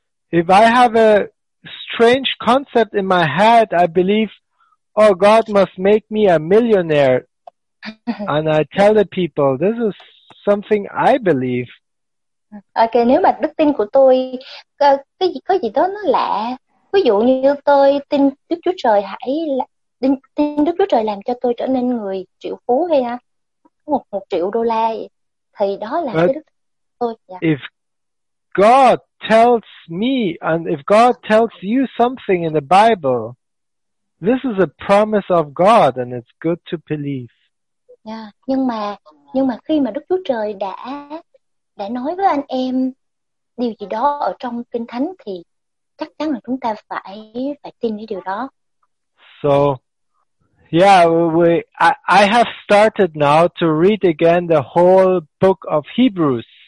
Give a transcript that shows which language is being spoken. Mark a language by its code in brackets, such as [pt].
[en] If I have a strange concept in my head, I believe, oh, God must make me a millionaire. And I tell the people, this is something I believe. [vi] Okay, nếu mà đức tin của tôi có gì đó nó lạ, ví dụ như tôi tin Đức Chúa Trời tin Đức Chúa Trời làm cho tôi trở nên người triệu phú hay ha, $1,000,000 thì đó là cái đức tin của tôi. [en] Yeah. If God tells me and if God tells you something in the Bible, this is a promise of God and it's good to believe. [vi] Yeah, nhưng mà khi mà Đức Chúa Trời đã nói với anh em điều gì đó ở trong Kinh Thánh thì chắc chắn là chúng ta phải tin cái điều đó. [en] So yeah, I have started now to read again the whole book of Hebrews.